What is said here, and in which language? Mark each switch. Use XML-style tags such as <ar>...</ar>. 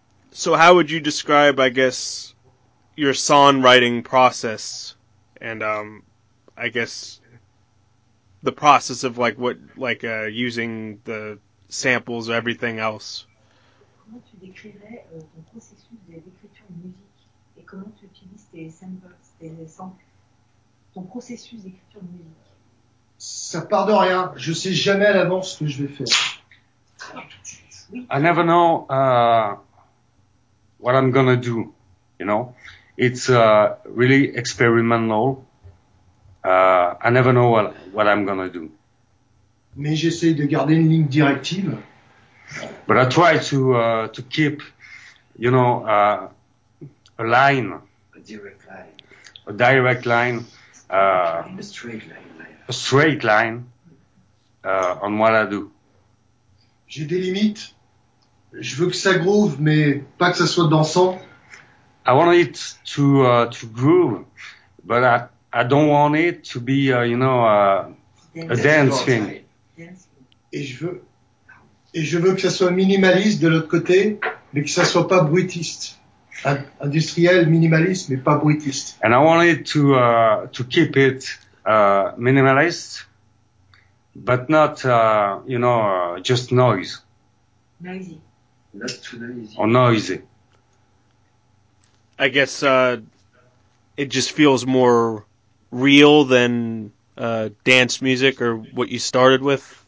<en>So how would you describe, I guess, your songwriting process, and I guess the process of using the samples or everything else?</en> <fr>Comment tu décrirais ton processus d'écriture de musique, et comment tu utilises tes samples, tes samples, ton processus d'écriture de musique? Ça part de rien. Je sais jamais à l'avance ce que je vais faire.</fr> <en>I never know what I'm gonna do. You know, it's really experimental. I never know what I'm gonna do.</en> <fr>Mais j'essaie de garder une ligne directive.</fr> <en>But I try to keep, you know, a line. A direct line. A direct line. A straight line. A straight line on what I do.</en> <fr>J'ai des limites. Je veux que ça groove, mais pas que ça soit dansant.</fr> <en>I want it to groove, but I don't want it to be, a dance thing.</en> <fr>Et je veux que ça soit minimaliste de l'autre côté, mais que ça soit pas bruitiste. Industriel, minimaliste, mais pas bruitiste.</fr> <en>And I want it to keep it minimaliste, but not, you know, just noise. Noisy. Not too noisy. Or noisy. I guess it just feels more real than dance music or what you started with.</en>